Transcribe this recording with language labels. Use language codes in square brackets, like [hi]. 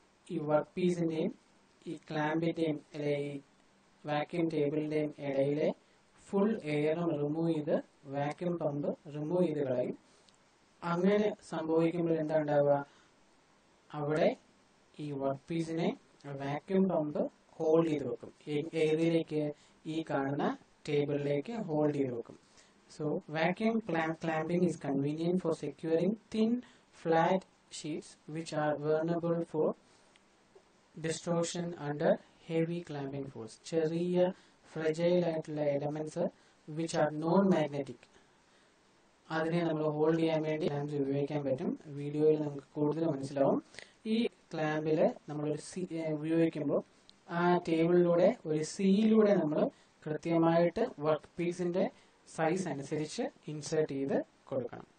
[ml] ഈ വർക്ക് പീസിന്റെയും ഈ ക്ലാമ്പിന്റെയും അല്ലെങ്കിൽ വാക്യൂം ടേബിളിന്റെയും ഇടയിലെ ഫുൾ എയറും റിമൂവ് ചെയ്ത് വാക്യൂം പമ്പ് റിമൂവ് ചെയ്ത് കളയും. അങ്ങനെ സംഭവിക്കുമ്പോൾ എന്താ ഉണ്ടാവുക? അവിടെ ഈ വർക്ക് പീസിനെ വാക്യൂം പമ്പ് ഹോൾഡ് ചെയ്ത് വെക്കും. എയറിലേക്ക് ഈ കാണുന്ന ടേബിളിലേക്ക് ഹോൾഡ് ചെയ്ത് വെക്കും. [en] So vacuum clamping is convenient for securing thin flat sheets which are vulnerable for distortion under heavy clamping force. [ml] ചെറിയ fragile ആയിട്ടുള്ള [en] elements which are non-magnetic [ml] അതിനെ നമ്മൾ ഹോൾഡ് ചെയ്യാൻ വേണ്ടി ക്ലാമ്പ് ഉപയോഗിക്കാൻ പറ്റും. വീഡിയോയിൽ നമുക്ക് കൂടുതൽ മനസ്സിലാവും. ഈ ക്ലാമ്പില് നമ്മളൊരു സീ ഉപയോഗിക്കുമ്പോൾ ആ ടേബിളിലൂടെ ഒരു സീയിലൂടെ നമ്മൾ കൃത്യമായിട്ട് വർക്ക് പീസിന്റെ സൈസ് അനുസരിച്ച് ഇൻസേർട്ട് ചെയ്ത് കൊടുക്കണം.